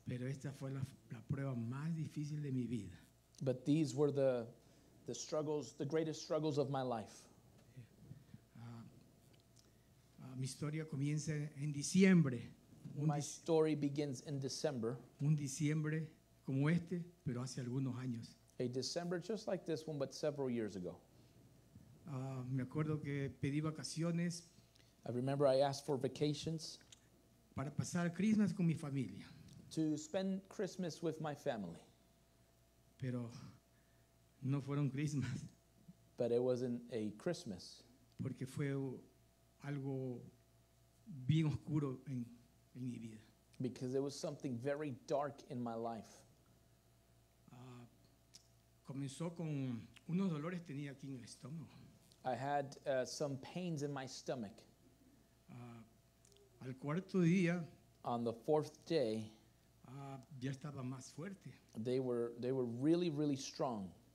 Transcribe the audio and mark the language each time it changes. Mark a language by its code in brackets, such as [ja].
[es] Pero esta fue la prueba más difícil de mi vida. [en] But these were the struggles, the greatest struggles of my life. [es] Mi historia comienza en diciembre. [en] My story begins in December. [es] Un diciembre como este, pero hace algunos años. [en] A December just like this one, but several years ago. [es] Me acuerdo que pedí vacaciones. [en] I remember I asked for vacations. [es] Para pasar Christmas con mi familia. [en] To spend Christmas with my family. [es] Pero no fueron Christmas. [en] But it wasn't a Christmas. [es] Porque fue algo bien oscuro en mi vida. [en] Because it was something very dark in my life. [es] Comenzó con unos dolores tenía aquí en el estómago. [en] I had some pains in my stomach. [es] Al cuarto día, [en] on the fourth day, [es] ya estaba más fuerte. [en] They were really, really strong.